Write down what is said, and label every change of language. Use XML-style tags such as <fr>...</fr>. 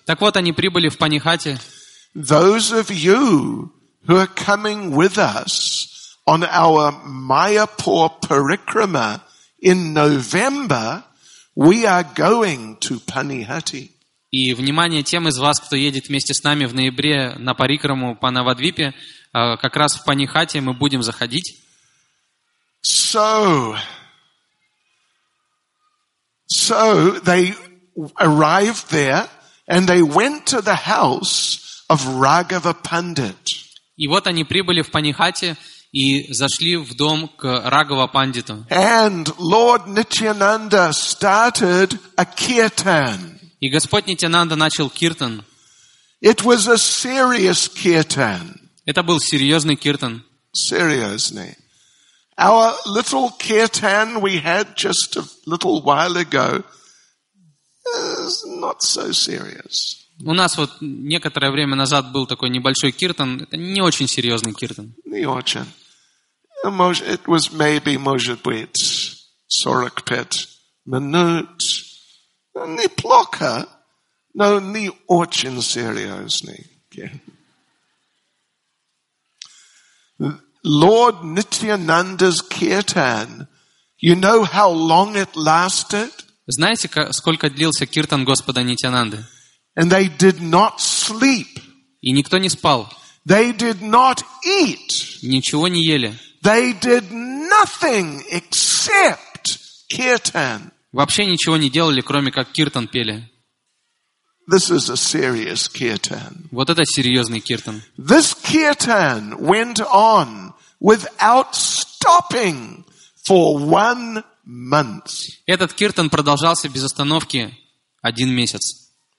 <ru>Так вот, они прибыли в Панихати.</ru> <en>Those of you who are coming with us on our Mayapur Parikrama in November, we are going to Panihati.</en> <ru>И внимание тем из вас, кто едет вместе с нами в ноябре на Парикраму по Навадвипе, как раз в Панихати мы будем заходить.</ru> <en>So they arrived there and they went to the house of Raghava Pandit.</en> <ru>И вот они прибыли в Панихати и зашли в дом к Рагава Пандиту.</ru> <en>And Lord Nityananda started a kirtan.</en> <ru>И Господь Нитянанда начал киртан.</ru> <en>It was a serious kirtan.</en> <ru>Это был серьезный киртан.</ru> <en>Seriously. Our little kirtan we had just a little while ago is not so serious.</en> <ru>У нас вот некоторое время назад был такой небольшой киртан. Это не очень серьезный киртан. Не очень.</ru> <en>It was maybe,</en> <ru>может быть, 45 минут. Неплохо, но не очень серьезный.</ru> <en>Lord Nityananda's kirtan. You know how long it lasted?</en> <ru>Знаете, сколько длился киртан Господа Нитянанды?</ru> <en>And they did not sleep.</en> <ru>И никто не спал.</ru> <en>They did not eat.</en> <ru>Ничего не ели.</ru> <en>They did nothing except kirtan.</en> <ru>Вообще ничего не делали, кроме как киртан пели.</ru> <en>This is a serious kirtan.</en> <ru>Вот это серьезный киртан.</ru> <en>This kirtan went on without stopping for 1 month.</en> <ru>Этот киртан продолжался без остановки 1 месяц.</ru>